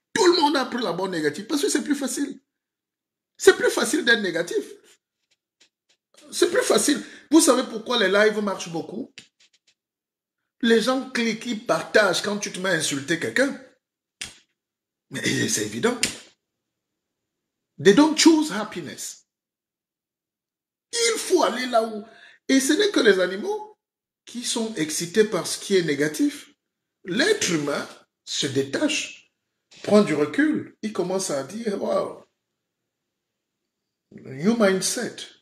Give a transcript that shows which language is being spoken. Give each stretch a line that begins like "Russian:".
French: Tout le monde a pris la borne négative parce que c'est plus facile. C'est plus facile d'être négatif. C'est plus facile. Vous savez pourquoi les lives marchent beaucoup? Les gens cliquent, ils partagent quand tu te mets à insulter quelqu'un. Mais c'est évident.
English: They don't choose happiness.
French: Il faut aller là où. Et ce n'est que les animaux qui sont excités par ce qui est négatif. L'être humain se détache, prend du recul. Il commence à dire, wow,
English: new mindset.